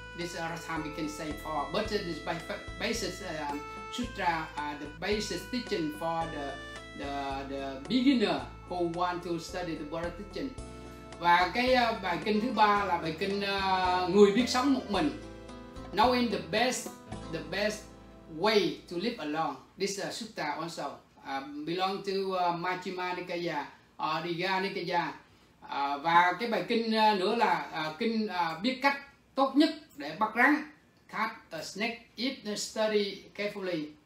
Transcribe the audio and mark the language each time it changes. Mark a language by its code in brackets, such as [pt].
[en] This is our time we can say four, but this basis sutra, the basis teaching for the beginner who want to study the Buddha teaching. [vi] Và cái bài kinh thứ ba là bài kinh người biết sống một mình. [en] Knowing the best way to live alone. This sutta also belong to Majjhima Nikaya, Digha Nikaya. [vi] Và cái bài kinh nữa là kinh biết cách tốt nhất để bắt rắn, [en] catch a snake if you study carefully.